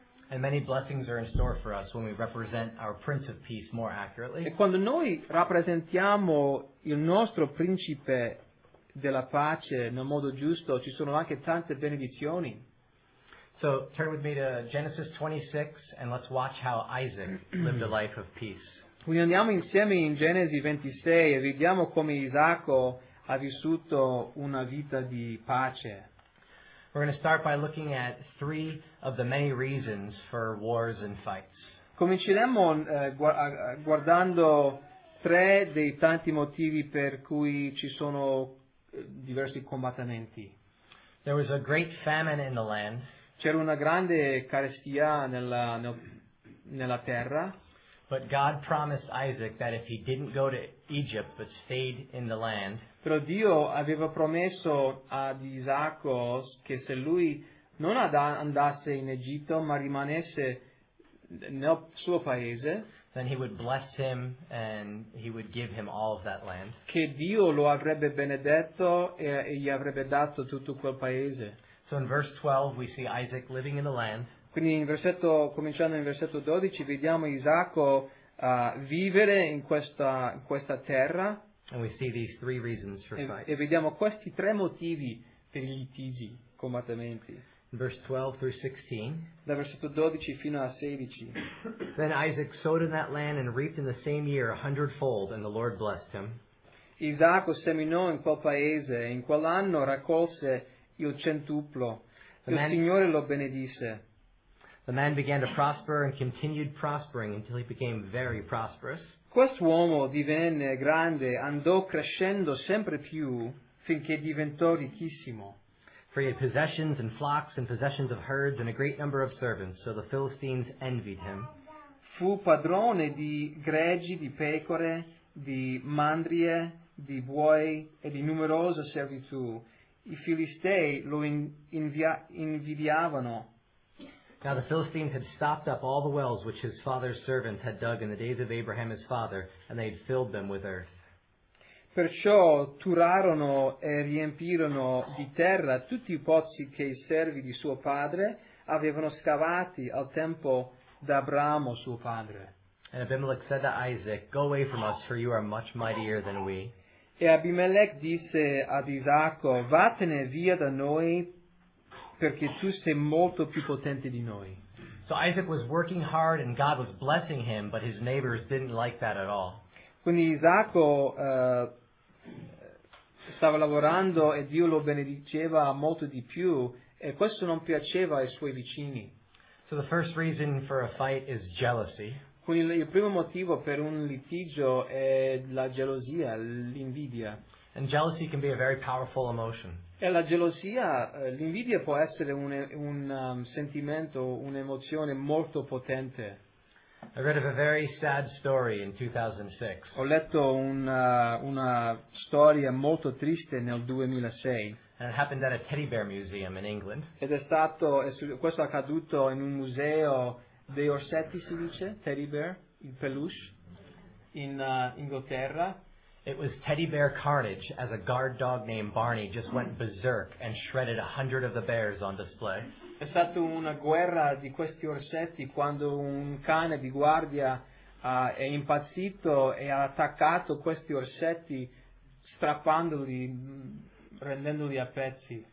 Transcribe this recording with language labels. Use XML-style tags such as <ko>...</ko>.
<en>And many blessings are in store for us when we represent our Prince of Peace more accurately.</en> <it>E quando noi rappresentiamo il nostro principe della pace nel modo giusto, ci sono anche tante benedizioni.</it> <en>So turn with me to Genesis 26 and let's watch how Isaac lived a life of peace.</en> <it>Quindi andiamo insieme in Genesi 26 e vediamo come Isacco ha vissuto una vita di pace.</it> <en>We're going to start by looking at three of the many reasons for wars and fights.</en> <it>Cominceremo guardando tre dei tanti motivi per cui ci sono diversi combattimenti.</it> <en>There was a great famine in the land.</en> <it>C'era una grande carestia nella terra.</it> <en>But God promised Isaac that if he didn't go to Egypt but stayed in the land.</en> <it>Però Dio aveva promesso ad Isacco che se lui non andasse in Egitto ma rimanesse nel suo paese,</it> <en>then he would bless him and he would give him all of that land.</en> <it>Che Dio lo avrebbe benedetto e gli avrebbe dato tutto quel paese.</it> <en>So in verse 12 we see Isaac living in the land.</en> <it>Quindi cominciando in versetto 12 vediamo Isacco vivere in questa terra.</it> <en>And we see these three reasons for fight.</en> <it>E vediamo questi tre motivi per i litigi, combattimenti.</it> <en>Verse 12 through 16.</en> <it>Da versetto 12 fino a 16.</it> <en>Then Isaac sowed in that land and reaped in the same year a hundredfold, and the Lord blessed him.</en> <it>Isacco seminò in quel paese e in quell'anno raccolse il centuplo. Il Signore lo benedisse.</it> <en>The man began to prosper and continued prospering until he became very prosperous.</en> <it>Quest'uomo divenne grande, andò crescendo sempre più finché diventò ricchissimo.</it> <en>For he had possessions and flocks and possessions of herds and a great number of servants, so the Philistines envied him.</en> <it>Fu padrone di greggi, di pecore, di mandrie, di buoi e di numerosa servitù. I Filistei lo invidiavano.</it> <en>Now the Philistines had stopped up all the wells which his father's servants had dug in the days of Abraham his father, and they had filled them with earth.</en> <it>Perciò turarono e riempirono di terra tutti i pozzi che i servi di suo padre avevano scavati al tempo d'Abramo suo padre.</it> <en>And Abimelech said to Isaac, "Go away from us, for you are much mightier than we."</en> <it>E Abimelech disse ad Isacco, "Vattene via da noi, perché tu sei molto più potente di noi."</it> <en>So Isaac was working hard and God was blessing him, but his neighbors didn't like that at all.</en> <it>Quindi Isacco stava lavorando e Dio lo benediceva molto di più e questo non piaceva ai suoi vicini.</it> <en>So the first reason for a fight is jealousy.</en> <it>Quindi il primo motivo per un litigio è la gelosia, l'invidia.</it> <en>And jealousy can be a very powerful emotion.</en> <it>E la gelosia, l'invidia può essere un sentimento, un'emozione molto potente.</it> <en>I read of a very sad story in 2006.</en> <it>Ho letto una storia molto triste nel 2006.</it> <en>And it happened at a teddy bear museum in England.</en> <it>Ed questo è accaduto in un museo dei orsetti, si dice, teddy bear, il peluche, in Inghilterra.</it> <en>It was teddy bear carnage as a guard dog named Barney just went berserk and shredded 100 of the bears on display.</en> <it>È stata una guerra di questi orsetti quando un cane di guardia è impazzito e ha attaccato questi orsetti strappandoli, rendendoli a pezzi.</it>